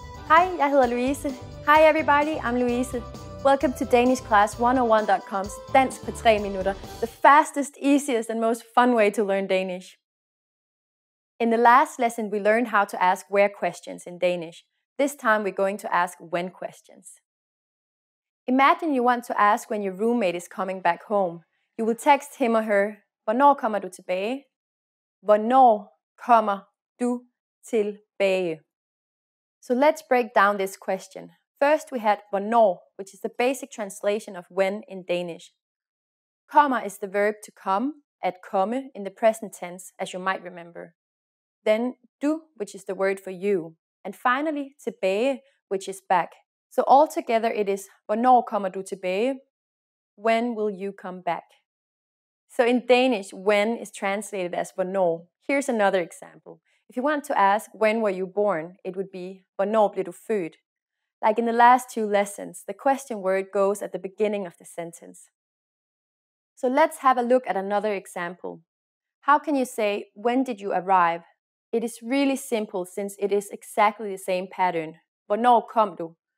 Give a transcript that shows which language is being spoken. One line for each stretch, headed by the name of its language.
English: Hi, jeg hedder Louise. Hi everybody, I'm Louise. Welcome to danishclass101.com's Dansk på 3 minutter, the fastest, easiest and most fun way to learn Danish. In the last lesson, we learned how to ask where questions in Danish. This time, we're going to ask when questions. Imagine you want to ask when your roommate is coming back home. You will text him or her, hvornår kommer du tilbage?
Danish: Hvornår kommer du tilbage?
English: So let's break down this question. First, we had hvornår, which is the basic translation of when in Danish. Kommer is the verb to come, at komme, in the present tense, as you might remember. Then, du, which is the word for you. And finally, tilbage, which is back. So altogether it is, hvornår kommer du tilbage? When will you come back? So in Danish, when is translated as hvornår. Here's another example. If you want to ask, when were you born? It would be, hvornår blev du født? Like in the last two lessons, the question word goes at the beginning of the sentence. So let's have a look at another example. How can you say, when did you arrive? It is really simple since it is exactly the same pattern. Hvornår kom du?